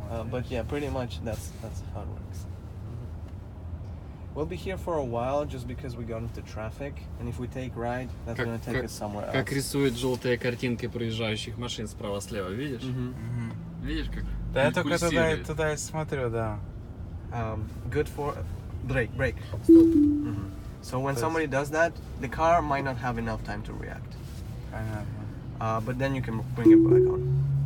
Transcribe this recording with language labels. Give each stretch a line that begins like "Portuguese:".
English: But yeah, pretty much that's how it works. We'll be here for a while just because we got into traffic, and if we take right, that's going to take us somewhere else.
Russian: Как рисуют желтые картинки проезжающих машин справа-слева, видишь? Видишь, как? Да, я только туда и смотрю, да.
English: Good for break. Stop. So when somebody does that, the car might not have enough time to react. But then you can bring it back on.